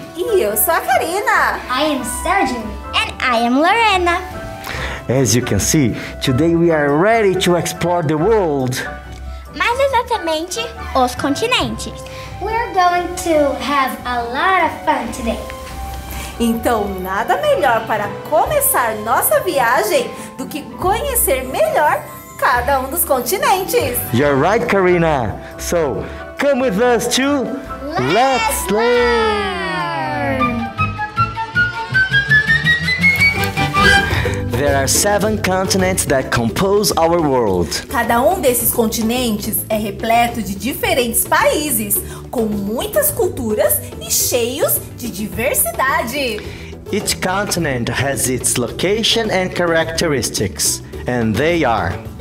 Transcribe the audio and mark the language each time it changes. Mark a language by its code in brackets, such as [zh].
[pt] E eu sou a Karina. [en] I am Sergio. And I am Lorena. As you can see, today we are ready to explore the world. [pt] Mais exatamente, os continentes. [en] We're going to have a lot of fun today. [pt] Então, nada melhor para começar nossa viagem do que conhecer melhor cada dos continentes. [en] You're right, Karina. So, come with us to... Let's learn! There are 7 continents that compose our world. [pt] Cada desses continentes é repleto de diferentes países, com muitas culturas e cheios de diversidade. [en] Each continent has its location and characteristics, and they are...